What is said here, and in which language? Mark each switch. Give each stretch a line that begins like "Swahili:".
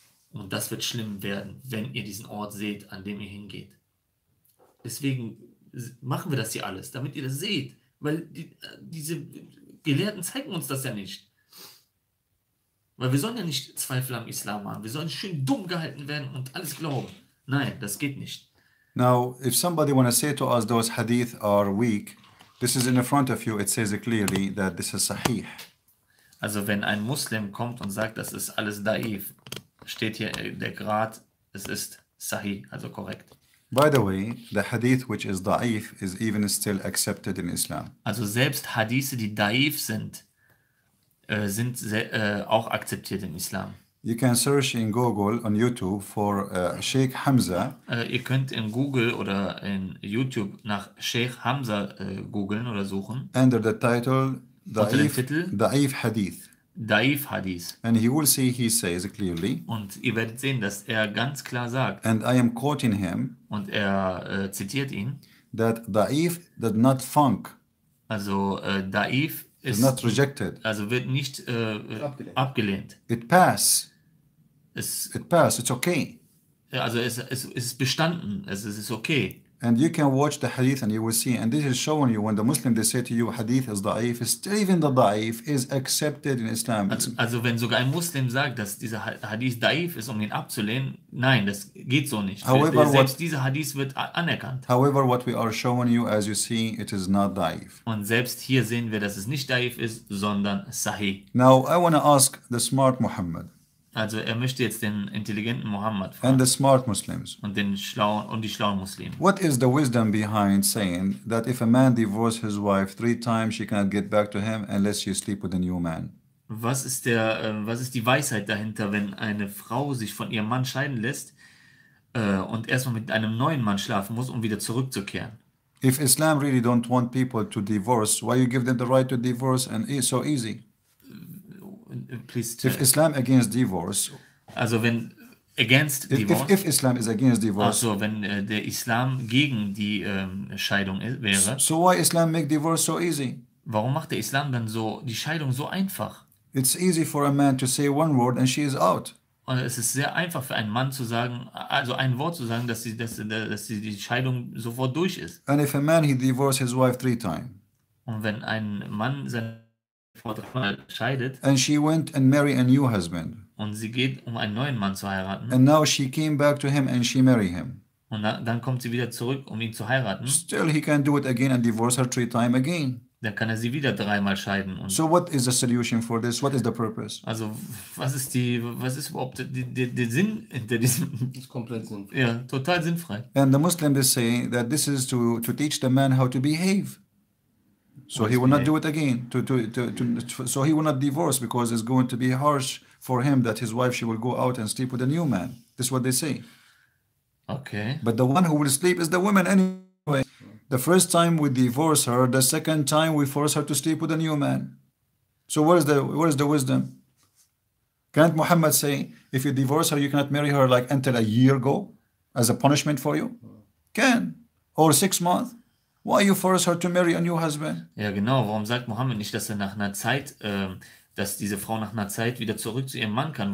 German: Und das wird schlimm werden, wenn ihr diesen Ort seht, an dem ihr hingeht. Deswegen machen wir das hier alles, damit ihr das seht. Weil diese Gelehrten zeigen uns das ja nicht. Weil wir sollen ja nicht Zweifel am Islam haben. Wir sollen schön dumm gehalten werden und alles glauben. Nein, das geht nicht.
English: Now, if somebody wanna say to us those hadith are weak, this is in the front of you, it says clearly that this is sahih.
German: Also wenn ein Muslim kommt und sagt, das ist alles daif, steht hier der Grad, es ist sahih, also korrekt.
English: By the way, the hadith which is daif is even still accepted in Islam.
German: Also selbst Hadithe, die daif sind, sind auch akzeptiert im Islam.
English: You can search in Google on YouTube for Sheikh Hamza.
German: Ihr könnt in Google oder in YouTube nach Sheikh Hamza googeln oder suchen.
English: Under the title, Daif Hadith.
German: Daif Hadith.
English: And you will see he says clearly.
German: Und ihr werdet sehen, dass er ganz klar sagt.
English: And I am quoting him.
German: Und er zitiert ihn.
English: That Daif does not funk.
German: Also Daif.
English: Is not rejected.
German: Also wird nicht abgelehnt.
English: It pass. It pass. It's okay.
German: Also es ist bestanden. Es ist okay.
English: And you can watch the hadith and you will see. And this is showing you when the Muslim they say to you hadith is da'if. Still even the da'if is accepted in Islam.
German: Also wenn sogar ein Muslim sagt, dass dieser Hadith da'if ist, um ihn abzulehnen. Nein, das geht so nicht.
English: However,
German: selbst dieser Hadith wird anerkannt.
English: However, what we are showing you, as you see, it is not da'if.
German: Und selbst hier sehen wir, dass es nicht da'if ist, sondern sahih.
English: Now I want to ask the smart Muhammad.
German: Also er möchte jetzt den intelligenten Muhammad fragen.
English: And the smart Muslims.
German: Und den schlauen und die schlauen Muslime.
English: What is the wisdom behind saying that if a man divorces his wife three times, she cannot get back to him unless she sleep with a new man?
German: Was ist die Weisheit dahinter, wenn eine Frau sich von ihrem Mann scheiden lässt und erstmal mit einem neuen Mann schlafen muss, um wieder zurückzukehren?
English: If Islam really don't want people to divorce, why you give them the right to divorce and it's so easy? please tell. If Islam against divorce.
German: Also wenn
English: against divorce. If Islam is against divorce.
German: Also wenn der Islam gegen die Scheidung wäre.
English: So why Islam make divorce so easy?
German: Warum macht der Islam dann so die Scheidung so einfach?
English: It's easy for a man to say one word and she is out.
German: Und es ist sehr einfach für einen Mann zu sagen, also ein Wort zu sagen, dass die Scheidung sofort durch ist.
English: And if a man he divorced his wife 3 times.
German: Und wenn ein Mann seine Frau 3 Mal scheidet.
English: And she went and marry a new husband.
German: Und sie geht, um einen neuen Mann zu heiraten.
English: And now she came back to him and she marry him.
German: Und dann kommt sie wieder zurück, um ihn zu heiraten.
English: Still he can do it again and divorce her 3 times again.
German: Dann kann er sie wieder 3 Mal scheiden. Und
English: so what is the solution for this? What is the purpose?
German: Also was ist überhaupt der Sinn hinter diesem? Das ist komplett sinnfrei. Ja, total sinnfrei.
English: And the Muslim is saying that this is to teach the man how to behave. So he will not do it again. So he will not divorce because it's going to be harsh for him that his wife she will go out and sleep with a new man. This is what they say. Okay. But the one who will sleep is the woman anyway. The first time we divorce her, the second time we force her to sleep with a new man. So where is the wisdom? Can't Muhammad say if you divorce her, you cannot marry her like until a year ago as a punishment for you? Can. Or 6 months? Why you force her to marry a new husband?
German: Ja, genau. Warum sagt Muhammad nicht, dass er nach einer Zeit, dass diese Frau nach einer Zeit wieder zurück zu ihrem Mann kann?